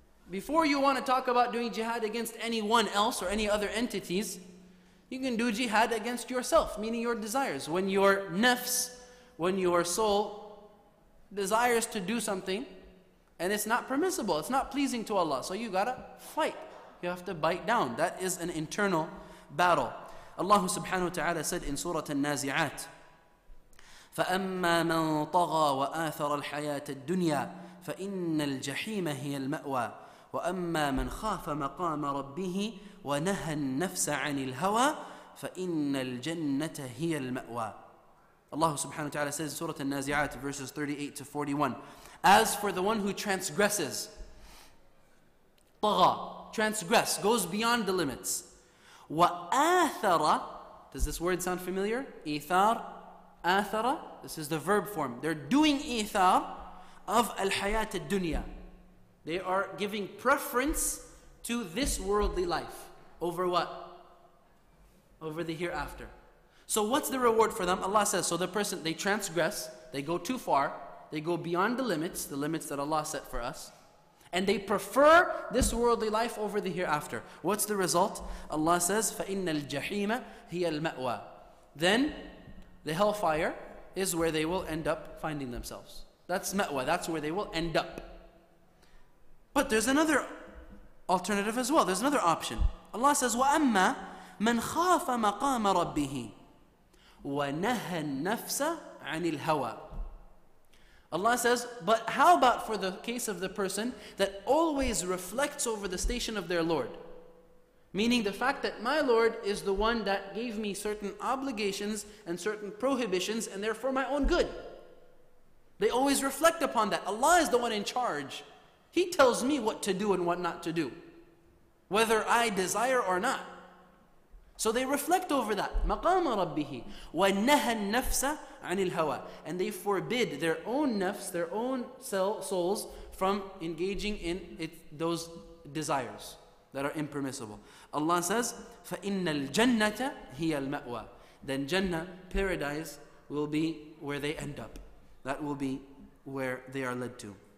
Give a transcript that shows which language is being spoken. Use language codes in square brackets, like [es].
[en] Before you want to talk about doing jihad against anyone else or any other entities, you can do jihad against yourself, meaning your desires. When your nafs, when your soul desires to do something, and it's not permissible, it's not pleasing to Allah, so you gotta fight. You have to bite down. That is an internal battle. Allah subhanahu wa ta'ala said in Surah An-Nazi'at, [ar] فَأَمَّا مَنْ طَغَى وَآثَرَ الْحَيَاةَ الدُّنْيَا فَإِنَّ الْجَحِيمَ هِيَ الْمَأْوَى وَأَمَّا مَنْ خَافَ مَقَامَ رَبِّهِ وَنَهَى النَّفْسَ عَنِ الْهَوَى فَإِنَّ الْجَنَّةَ هِيَ الْمَأْوَى. [en] Allah subhanahu wa ta'ala says in Surah An-Nazi'at, verses 38 to 41, as for the one who transgresses, طغى, transgress, goes beyond the limits. وَآثَرَ, does this word sound familiar? إِثَار, آثَرَ, this is the verb form. They're doing إِثَار of [ar] الحَيَاةِ الدُّنْيَا. [en] They are giving preference to this worldly life. Over what? Over the hereafter. So what's the reward for them? Allah says, so the person, they transgress, they go too far, they go beyond the limits that Allah set for us, and they prefer this worldly life over the hereafter. What's the result? Allah says, [ar] فَإِنَّ الْجَحِيمَ هِيَ الْمَأْوَى. [en] Then, the hellfire is where they will end up finding themselves. That's ma'wa, that's where they will end up. But there's another alternative as well. There's another option. Allah says, [ar] وَأَمَّا مَنْ خَافَ مَقَامَ رَبِّهِ وَنَهَى النَّفْسَ عَنِ الْهَوَىٰ. [en] Allah says, but how about for the case of the person that always reflects over the station of their Lord? Meaning the fact that my Lord is the one that gave me certain obligations and certain prohibitions, and they're for my own good. They always reflect upon that. Allah is the one in charge. He tells me what to do and what not to do, whether I desire or not. So they reflect over that. [ar] مَقَامَ رَبِّهِ وَنَهَى النَّفْسَ عَنِ الْهَوَىٰ. [en] And they forbid their own nafs, their own souls, from engaging in it, those desires that are impermissible. Allah says, [ar] فَإِنَّ الْجَنَّةَ هِيَ الْمَأْوَىٰ. [en] Then Jannah, paradise, will be where they end up. That will be where they are led to.